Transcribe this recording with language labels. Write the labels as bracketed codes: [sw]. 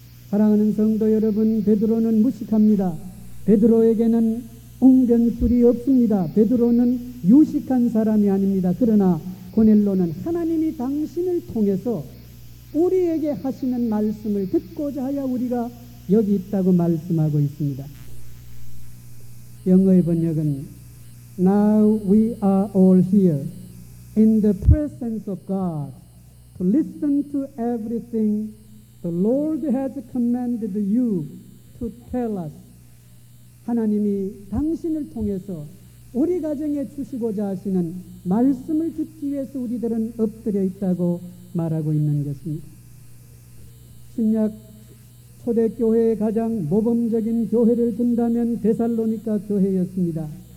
[ko] 사랑하는 성도 여러분, 베드로는 무식합니다. 베드로에게는 웅변술이 없습니다. 베드로는 유식한 사람이 아닙니다. 그러나 고넬로는 하나님이 당신을 통해서 우리에게 하시는 말씀을 듣고자 하여 우리가 여기 있다고 말씀하고 있습니다. 영어의 번역은 [en] Now we are all here in the presence of God to listen to everything the Lord has commanded you to tell us. [ko] 하나님이 당신을 통해서 우리 가정에 주시고자 하시는 말씀을 듣기 위해서 우리들은 엎드려 있다고 말하고 있는 것입니다. 신약 초대교회의 가장 모범적인 교회를 든다면 데살로니가 교회였습니다.